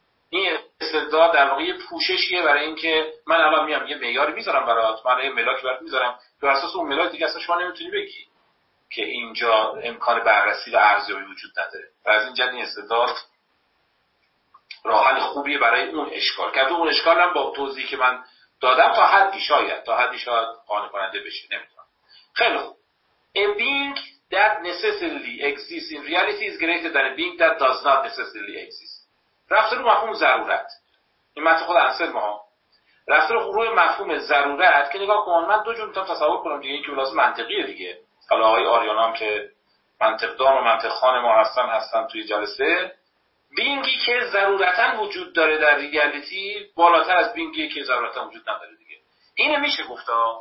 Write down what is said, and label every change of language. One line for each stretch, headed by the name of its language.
Persian: این استدلال در واقع پوششیه برای اینکه من الان میام یه معیاری میذارم برات، من یه ملاکی برات میذارم، بر اساس اون ملاک دیگه اصلا شما نمیتونی بگی که اینجا امکان بررسی و ارزیابی وجود نداره. و از این جد این استدلال راه حل خوبیه برای اون اشکال. که اون اشکال هم با توضیحی که من دادم تا حدی شاید قانع کننده بشه، نمیدونم. خیلی خوب.
English: A being that necessarily exists in reality is greater than a being that does not necessarily exist.
Persian: رفت رو مفهوم ضرورت. این متن خود اصل ما رفت رو روی مفهوم ضرورت که نگاه کن من دو جور میتونم تصور کنم دیگه، اینکه لازم منطقیه دیگه. حالا آقای آریان هم که منطقدان و منطقخان ما هستن توی جلسه، بینگی که ضرورتاً وجود داره در ریالیتی بالاتر از بینگی که ضرورتاً وجود نداره دیگه. اینه میشه گفته.